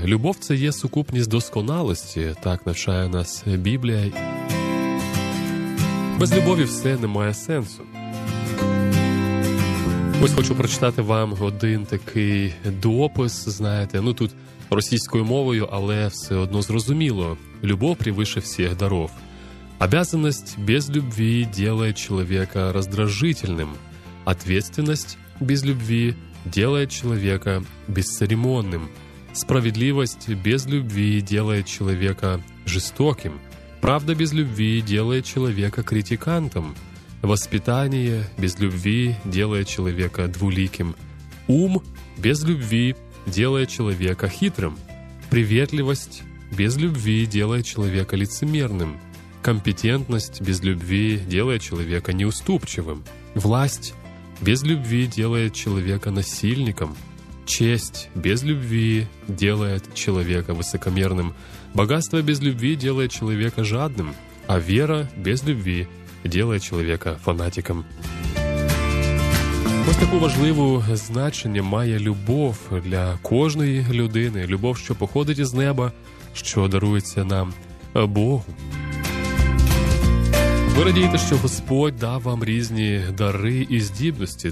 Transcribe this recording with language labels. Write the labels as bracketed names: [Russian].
[Ukrainian] Любов – це є сукупність досконалості, так навчає нас Біблія. Без любові все не має сенсу. Ось хочу прочитати вам один такий допис, знаєте, ну тут російською мовою, але все одно зрозуміло. [Russian] Любов превыше всіх даров. Обязанность без любви делает человека раздражительным. Ответственность без любви делает человека бесцеремонным. Справедливость без любви делает человека жестоким. Правда без любви делает человека критикантом. Воспитание без любви делает человека двуликим. Ум без любви делает человека хитрым. Приветливость без любви делает человека лицемерным. Компетентность без любви делает человека неуступчивым. Власть без любви делает человека насильником. Честь без любви делает человека высокомерным. Богатство без любви делает человека жадным. А вера без любви делает человека фанатиком. [Ukrainian] Ось таку важливу значення має любов для кожної людини. Любов, що походить із неба, що дарується нам Богу. Ви радієте, що Господь дав вам різні дари і здібності.